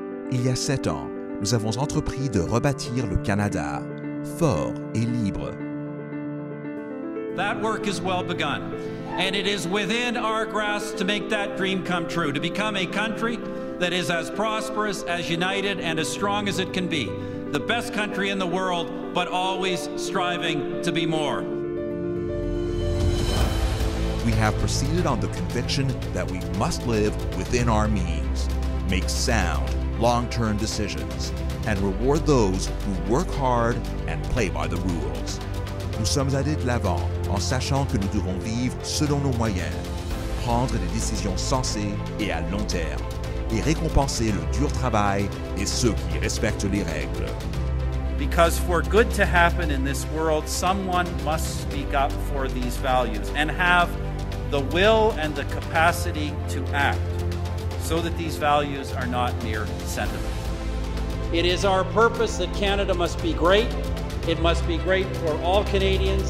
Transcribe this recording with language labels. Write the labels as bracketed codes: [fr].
[fr] Il y a 7 ans, nous avons entrepris de rebâtir le Canada, fort et libre. [en] That work is well begun, and it is within our grasp to make that dream come true, to become a country that is as prosperous, as united, and as strong as it can be. The best country in the world, but always striving to be more. We have proceeded on the conviction that we must live within our means, make sound, long-term decisions, and reward those who work hard and play by the rules. [fr] Nous sommes allés de l'avant en sachant que nous devons vivre selon nos moyens, prendre des décisions sensées et à long terme, et récompenser le dur travail et ceux qui respectent les règles. [en] Because for good to happen in this world, someone must speak up for these values and have the will and the capacity to act so that these values are not mere sentiment. It is our purpose that Canada must be great. It must be great for all Canadians.